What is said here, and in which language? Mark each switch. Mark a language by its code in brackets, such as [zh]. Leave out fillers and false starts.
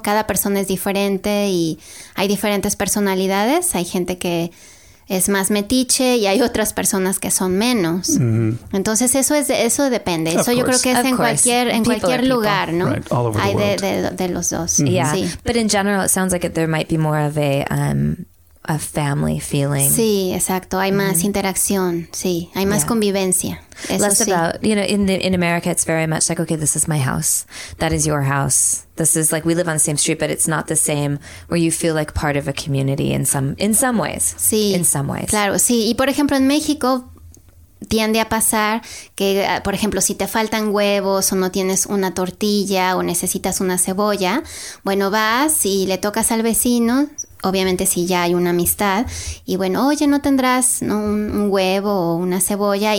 [es] Cada persona es diferente y hay diferentes personalidades. Hay gente que es más metiche y hay otras personas que son menos. Mm-hmm. Entonces eso depende. Yo creo que es en cualquier lugar, ¿no? [en] Right, all over the world, [es] de los dos. [en] Mm-hmm. Yeah. Sí. But in general, it sounds like there might be more of a family feeling. [es] Sí, exacto. Hay más interacción. Sí, hay más convivencia. [en] Less about, you know, in America, it's very much like, okay, this is my house. That is your house. This is like, we live on the same street, but it's not the same where you feel like part of a community in some ways. [es] Sí. [en] In some ways. [es] Claro, sí. Y por ejemplo, en México tiende a pasar que, por ejemplo, si te faltan huevos o no tienes una tortilla o necesitas una cebolla, bueno, vas y le tocas al vecino, obviamente si ya hay una amistad, y bueno, oye, ¿no tendrás un huevo o una cebolla?